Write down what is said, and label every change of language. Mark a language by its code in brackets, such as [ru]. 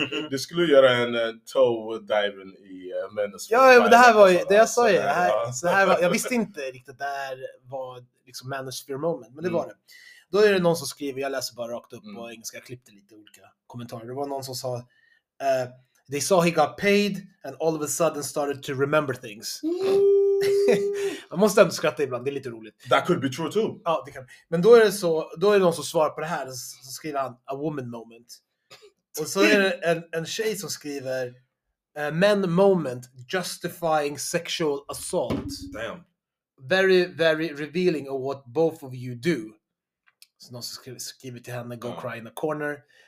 [sv] Du skulle göra en toe diving i männens... Ja, men det här var ju det jag sa ju. Jag visste inte riktigt att det här var liksom männens spear moment, men det var det. Då är det någon som skriver, jag läser bara rakt upp på engelska, jag klippte lite olika kommentarer. Det var någon som sa... [en] they saw he got paid and all of a sudden started to remember things. [sv] Man måste ändå skratta ibland, det är lite roligt. [en] That could be true too. [sv] Ja, det kan. Men då är det så, då är det någon som svarar på det här, så skriver han [en] a woman moment. [sv] Och så är det en tjej som skriver [en] a man moment justifying sexual assault. Damn. Very very revealing of what both of you do. [sv] Så någon som skriver till henne [en] go cry in a corner.